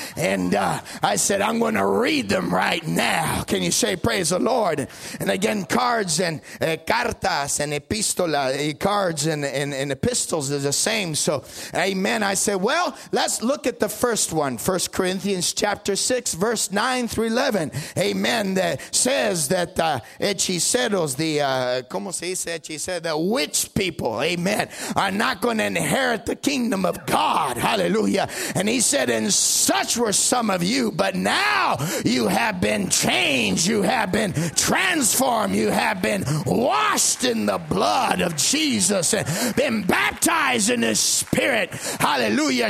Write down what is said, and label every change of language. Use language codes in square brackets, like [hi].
[en] And I said, I'm going to read them right now. Can you say praise the Lord? And again, cards and [es] cartas [en] and [es] epístolas. [en] Cards and epistles is the same. So, amen. I said, well, let's look at the first one. 1 Corinthians chapter 6, verse 9 through 11. Amen. That says that [es] hechiceros, [en] the, [es] ¿cómo se dice hechicero? [en] The witch people, amen, are not going to inherit the kingdom of God. Hallelujah. And he said, and such were some of you, but now you have been changed. You have been transformed. You have been washed in the blood of Jesus and been baptized in his spirit. Hallelujah.